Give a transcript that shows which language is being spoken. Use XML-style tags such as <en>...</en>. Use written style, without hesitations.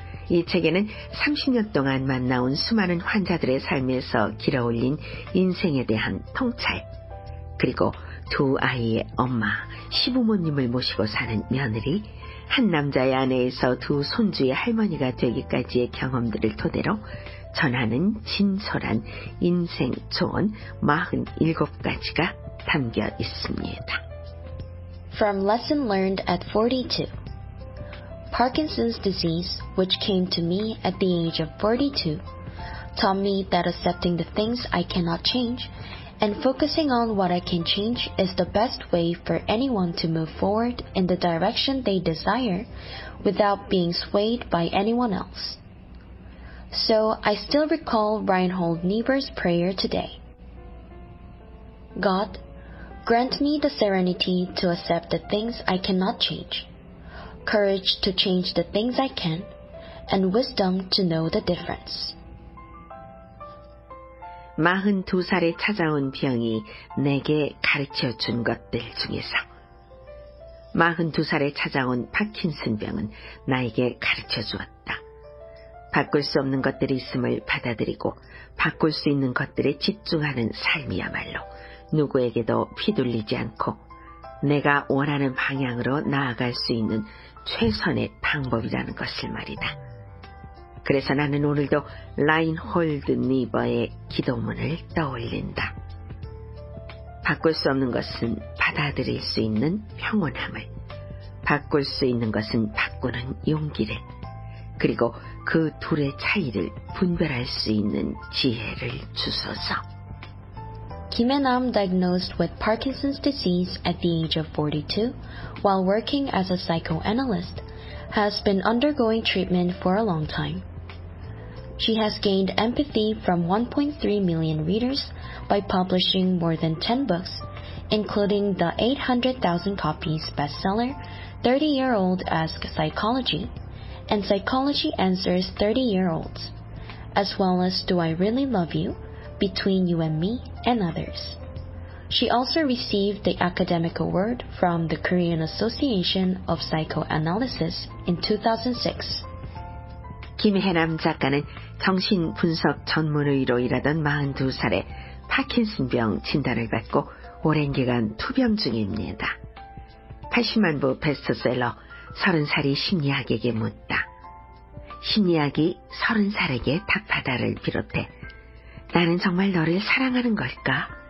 <ko>이 책에는 30년 동안 만나온 수많은 환자들의 삶에서 길어올린 인생에 대한 통찰, 그리고 두 아이의 엄마, 시부모님을 모시고 사는 며느리, 한 남자의 아내에서 두 손주의 할머니가 되기까지의 경험들을 토대로 전하는 진솔한 인생 조언 47가지가 담겨 있습니다.</ko> <en>From Lesson Learned at 42. Parkinson's disease, which came to me at the age of 42, taught me that accepting the things I cannot change and focusing on what I can change is the best way for anyone to move forward in the direction they desire without being swayed by anyone else. So I still recall Reinhold Niebuhr's prayer today. God, grant me the serenity to accept the things I cannot change, courage to change the things I can, and wisdom to know the difference.</en> <ko>42살에 찾아온 병이 내게 가르쳐 준 것들 중에서 42살에 찾아온 파킨슨병은 나에게 가르쳐 주었다. 바꿀 수 없는 것들이 있음을 받아들이고 바꿀 수 있는 것들에 집중하는 삶이야말로 누구에게도 휘둘리지 않고 내가 원하는 방향으로 나아갈 수 있는 최선의 방법이라는 것을 말이다. 그래서 나는 오늘도 라인홀드 니버의 기도문을 떠올린다. 바꿀 수 없는 것은 받아들일 수 있는 평온함을, 바꿀 수 있는 것은 바꾸는 용기를, 그리고 그 둘의 차이를 분별할 수 있는 지혜를 주소서.</ko> <en>Kim and I'm diagnosed with Parkinson's disease at the age of 42 while working as a psychoanalyst, has been undergoing treatment for a long time. She has gained empathy from 1.3 million readers by publishing more than 10 books, including the 800,000 copies bestseller 30-Year-Old Ask Psychology and Psychology Answers 30-Year-Olds, as well as Do I Really Love You? Between You and Me and Others. She also received the Academic Award from the Korean Association of Psychoanalysis in 2006.</en> <ko>김혜남 작가는 정신분석 전문의로 일하던 42살에 파킨슨병 진단을 받고 오랜 기간 투병 중입니다. 80만 부 베스트셀러 30살이 심리학에게 묻다. 심리학이 30살에게 답하다를 비롯해 나는 정말 너를 사랑하는 걸까?</ko>